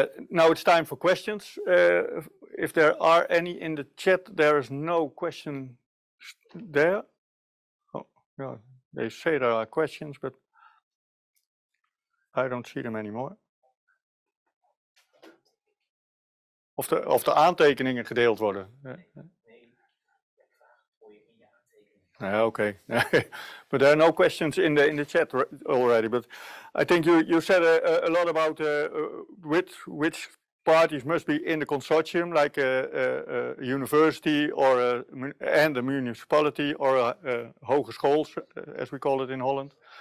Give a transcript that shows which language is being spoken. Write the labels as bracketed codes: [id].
[en] Now it's time for questions. If there are any in the chat, there is no question there. Oh, yeah. They say there are questions, but I don't see them anymore. [nl] Of the aantekeningen gedeeld worden. [en] Okay, but there are no questions in the chat already. But I think you said a lot about which parties must be in the consortium, like a university or and a municipality or a hogeschool, as we call it in Holland.